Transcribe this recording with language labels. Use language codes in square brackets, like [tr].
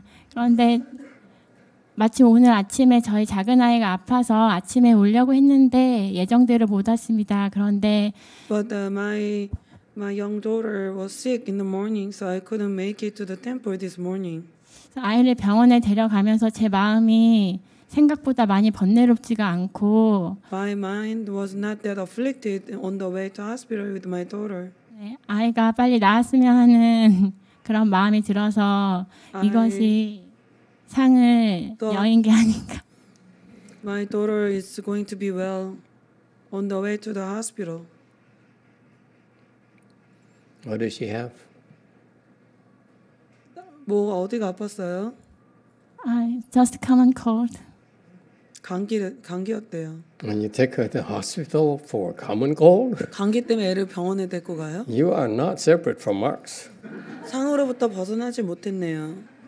[ko] 그런데 마침 오늘 아침에 저희 작은 아이가 아파서 아침에 오려고 했는데 예정대로 못 왔습니다. 그런데 [en] But my young daughter was sick in the morning, so I couldn't make it to the temple this morning. [ko] 아이를 병원에 데려가면서 제 마음이 생각보다 많이 번뇌롭지가 않고 [en] My mind was not that afflicted on the way to hospital with my daughter. [ko] 네, 아이가 빨리 나았으면 하는 그런 마음이 들어서 이것이 상을 여인 게 아닌가. [en] My daughter is going to be well on the way to the hospital. What does she have? [ko] 뭐 어디가 아팠어요? [en] I just common cold. [ko] 감기 어때요? [en] And you take her to the hospital for common cold? [ko] 감기 때문에 애를 병원에 데리고 가요? [en] You are not separate from Marx. [ko] 상으로부터 벗어나지 못했네요.